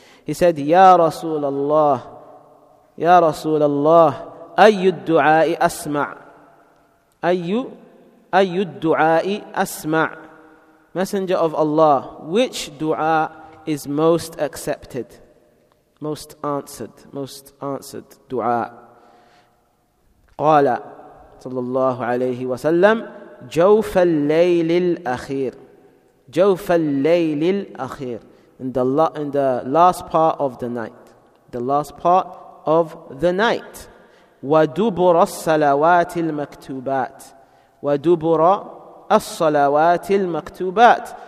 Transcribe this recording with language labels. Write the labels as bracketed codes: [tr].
[en] He said, [ar] "Ya Rasulallah, يا رسول الله أي الدعاء أسمع أي الدعاء أسمع." [en] Messenger of Allah, which dua is most accepted, most answered dua? [ar] قال صلى الله عليه وسلم جوف الليل الأخير. جوف الليل الأخير, [en] in the last part of the night, the last part of the night. [ar] وَدُبُرَ الصَّلَوَاتِ الْمَكْتُوبَاتِ وَدُبُرَ الصَّلَوَاتِ الْمَكْتُوبَاتِ.